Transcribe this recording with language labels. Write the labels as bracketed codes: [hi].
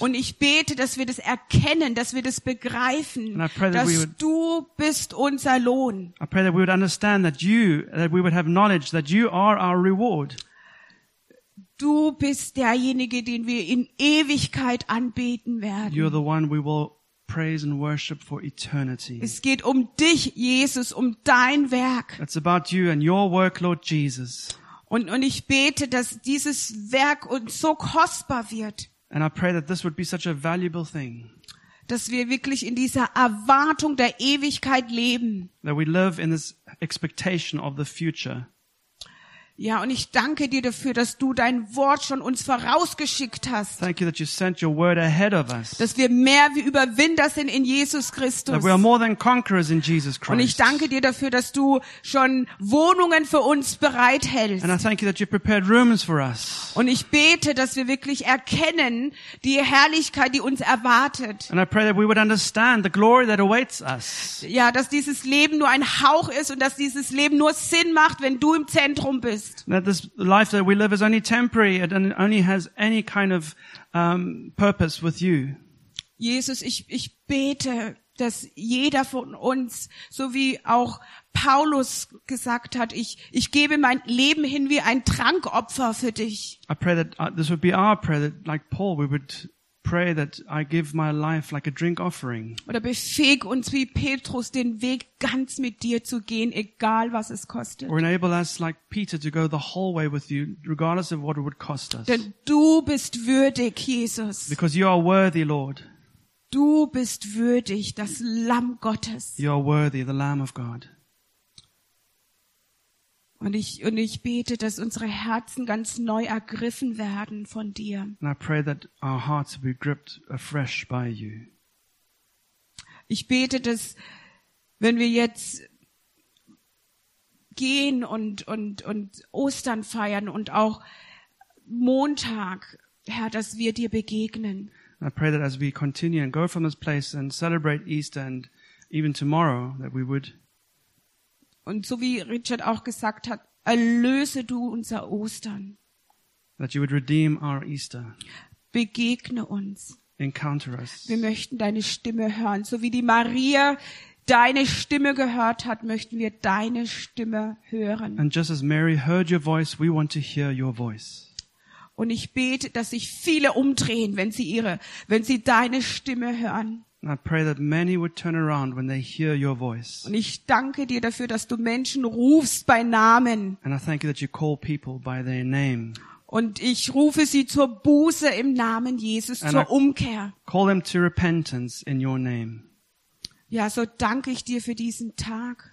[de] Und ich bete, dass wir das erkennen, dass wir das begreifen, dass du bist unser Lohn. [en] I pray that we would understand that we would have knowledge that you are our reward. [de] Du bist derjenige, den wir in Ewigkeit anbeten werden. [en] You're the one we will praise and worship for eternity. [de] Es geht um dich, Jesus, um dein Werk. [en] It's about you and your work, Lord Jesus. [de] Und ich bete, dass dieses Werk uns so kostbar wird. [en] And I pray that this would be such a valuable thing. [de] Dass wir wirklich in dieser Erwartung der Ewigkeit leben. [en] That we live in this expectation of the future. [de] Ja, und ich danke dir dafür, dass du dein Wort schon uns vorausgeschickt hast. [en] Thank you that you sent your word ahead of us. [de] Dass wir mehr wie Überwinder sind in Jesus Christus. [en] That we are more than conquerors in Jesus Christ. [de] Und ich danke dir dafür, dass du schon Wohnungen für uns bereithältst. [en] And I thank you that you prepared rooms for us. [de] Und ich bete, dass wir wirklich erkennen die Herrlichkeit, die uns erwartet. [en] And I pray that we would understand the glory that awaits us. [de] Ja, dass dieses Leben nur ein Hauch ist und dass dieses Leben nur Sinn macht, wenn du im Zentrum bist. [en] That this life that we live is only temporary and only has any kind of purpose with you. [de] Jesus, ich bete, dass jeder von uns, so wie auch Paulus gesagt hat, ich gebe mein Leben hin wie ein Trankopfer für dich. [en] I pray that this would be our prayer, that like Paul, we would pray that I give my life like a drink offering. [de] Oder befähig uns wie Petrus den Weg ganz mit dir zu gehen, egal was es kostet. [en] Or enable us like Peter to go the whole way with you, regardless of what it would cost us. [de] Denn du bist würdig, Jesus. [en] Because you are worthy, Lord. [de] Du bist würdig, das Lamm Gottes. [en] You are worthy, the Lamb of God. [de] Und ich bete, dass unsere Herzen ganz neu ergriffen werden von dir. [en] And I pray that our hearts will be gripped afresh by you. [de] Ich bete, dass wenn wir jetzt gehen und Ostern feiern und auch Montag, Herr, dass wir dir begegnen. [en] And I pray that as we continue and go from this place and celebrate Easter and even tomorrow, that we would. [de] Und so wie Richard auch gesagt hat, erlöse du unser Ostern. [en] That you would redeem our Easter. [de] Begegne uns. [en] Encounter us. [de] Wir möchten deine Stimme hören. So wie die Maria deine Stimme gehört hat, möchten wir deine Stimme hören. [en] And just as Mary heard your voice, we want to hear your voice. [de] Und ich bete, dass sich viele umdrehen, wenn sie deine Stimme hören. [en] And I pray that many would turn around when they hear your voice. [de] Und ich danke dir dafür, dass du Menschen rufst bei Namen. [en] And I thank you that you call people by their name. [de] Und ich rufe sie zur Buße im Namen Jesus, [en] and [de] zur [en] I [de] Umkehr. [en] Call them to repentance in your name. [de] Ja, so danke ich dir für diesen Tag.